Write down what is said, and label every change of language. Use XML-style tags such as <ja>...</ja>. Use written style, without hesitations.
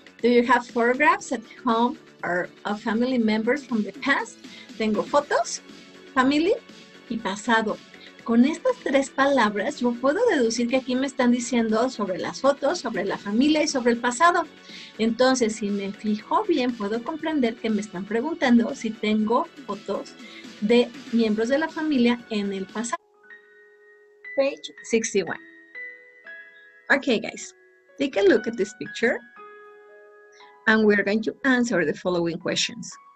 <en>Do you have photographs at home or of family members from the past?</en> <es>Tengo fotos, family y pasado. Con estas tres palabras, yo puedo deducir que aquí me están diciendo sobre las fotos, sobre la familia y sobre el pasado. Entonces, si me fijo bien, puedo comprender que me están preguntando si tengo fotos de miembros de la familia en el pasado.</es> <en>Page 61. Okay, guys, take a look at this picture. And we're going to answer the following questions.</en>